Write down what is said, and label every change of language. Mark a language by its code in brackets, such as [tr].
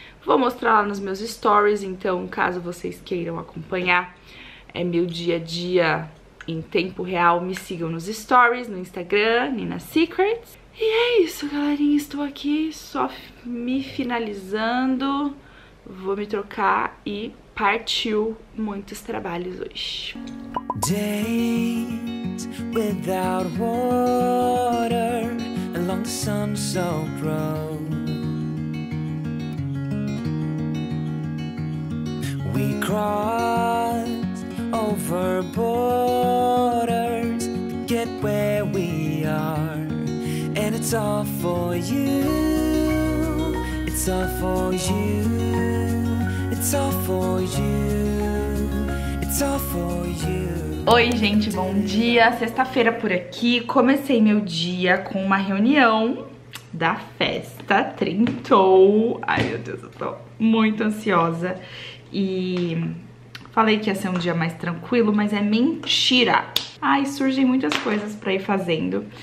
[pt] Vou mostrar lá nos meus stories, então, caso vocês queiram acompanhar, é meu dia a dia em tempo real. Me sigam nos stories, no Instagram, Nina Secrets. E é isso, galerinha. Estou aqui só me finalizando. Vou me trocar e partiu muitos trabalhos hoje. [en] Days without water along the sun-soaked road. We cross over borders to get where we are, and it's all for you, it's all for you, it's all for you, it's all for you. [pt] Oi gente, bom dia, sexta-feira por aqui, comecei meu dia com uma reunião da festa, trintou, ai meu Deus, eu tô muito ansiosa, e... Falei que ia ser um dia mais tranquilo, mas é mentira. Ai, surgem muitas coisas pra ir fazendo.